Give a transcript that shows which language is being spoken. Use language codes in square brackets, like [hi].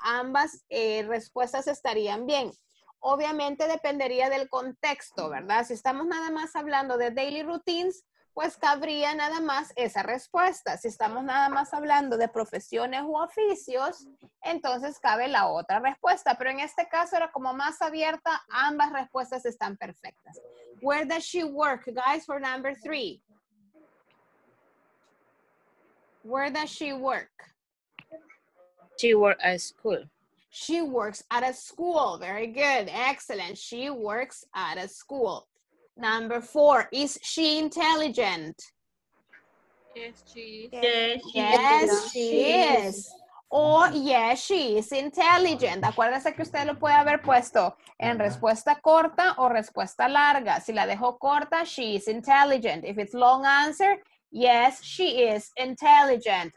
[es] Ambas respuestas estarían bien. Obviamente dependería del contexto, ¿verdad? Si estamos nada más hablando de daily routines, pues cabría nada más esa respuesta. Si estamos nada más hablando de profesiones u oficios, entonces cabe la otra respuesta. Pero en este caso era como más abierta, ambas respuestas están perfectas. [en] Where does she work, guys, for number three? Where does she work? She works at school. She works at a school. Very good. Excellent. She works at a school. Number four. Is she intelligent? Yes, she is. Yes, yes, she is. Or yes, she is intelligent. [es] Acuérdese que usted lo puede haber puesto en respuesta corta o respuesta larga. Si la dejó corta, [en] she is intelligent. If it's long answer, yes, she is intelligent.